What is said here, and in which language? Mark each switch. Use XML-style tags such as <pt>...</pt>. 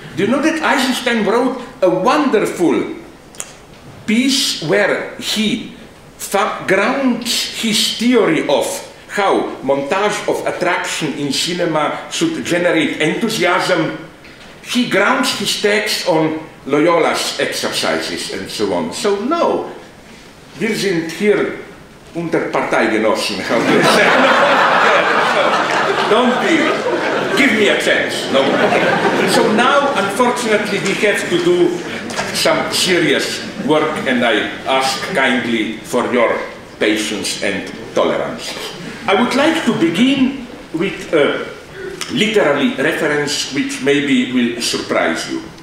<en>Do you know that Eisenstein wrote a wonderful piece where he grounds his theory of how montage of attraction in cinema should generate enthusiasm? He grounds his text on Loyola's exercises and so on. So no,</en> <de>wir sind hier unter Parteigenossen,</de> <en>how do you say? Don't be, give me a chance. No. So now, unfortunately, we have to do some serious work, and I ask kindly for your patience and tolerance. I would like to begin with a literary reference which maybe will surprise you.</en>